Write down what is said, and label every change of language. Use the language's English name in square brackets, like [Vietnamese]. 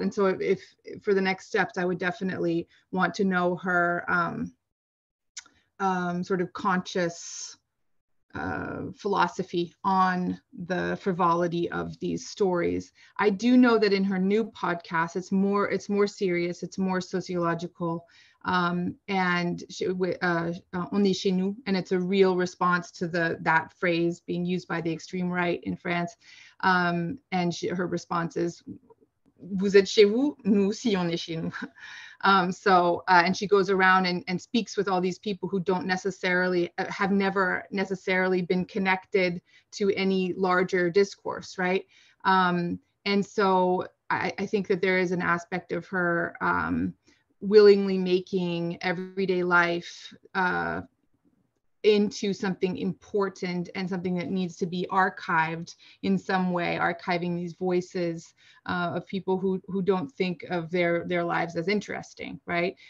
[English] And so if for the next steps, I would definitely want to know her sort of conscious philosophy on the frivolity of these stories. I do know that in her new podcast, it's more serious, it's more sociological, and only chez nous, and it's a real response to that phrase being used by the extreme right in France. Her response is, [French] vous êtes chez vous, nous aussi on est chez nous. [English] And she goes around and speaks with all these people who don't necessarily have never necessarily been connected to any larger discourse, right? I think that there is an aspect of her willingly making everyday life into something important and something that needs to be archived in some way, archiving these voices of people who don't think of their lives as interesting, right?